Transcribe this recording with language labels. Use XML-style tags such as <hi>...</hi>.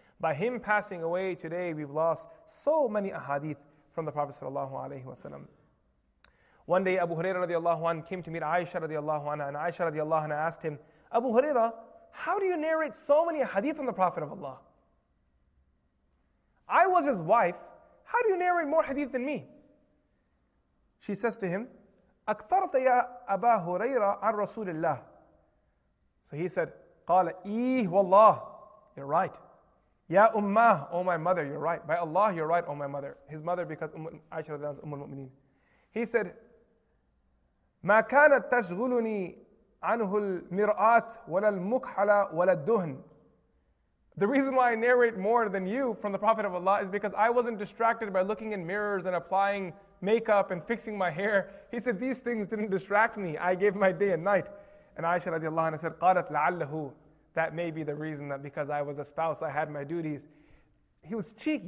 <en>By him passing away today, we've lost so many ahadith from the Prophet sallallahu alaihi wasallam. One day Abu Hurairah radiallahu anhu came to meet Aisha radiallahu anhu, and Aisha radiallahu anhu asked him, Abu Hurairah, how do you narrate so many hadith on the Prophet of Allah? I was his wife. How do you narrate more hadith than me? She says to him,</en> <ar>أَكْثَرْتَ يَا أَبَا هُرَيْرَ عَنْ رَسُولِ اللَّهِ.</ar> <en>So he said,</en> <ar>قَالَ إِيهِ وَاللَّهِ.</ar> <en>You're right.</en> <ar>يَا أُمَّهِ.</ar> <en>O my mother, you're right. By Allah, you're right, O my mother. His mother, because Aisha radiallahu anha is Ummul Mu'mineen. He said,</en> <ar>مَا كَانَتْ تَشْغُلُنِي عَنْهُ الْمِرْآتِ وَلَا الْمُكْحَلَ وَلَا الدُّهْنِ.</ar> <en>The reason why I narrate more than you from the Prophet of Allah is because I wasn't distracted by looking in mirrors and applying makeup and fixing my hair. He said, these things didn't distract me. I gave my day and night. And Aisha radiallahu anha said,</en> <ar>قَالَتْ لَعَلَّهُ.</ar> <en>That may be the reason that because I was a spouse, I had my duties. He was cheeky.</en>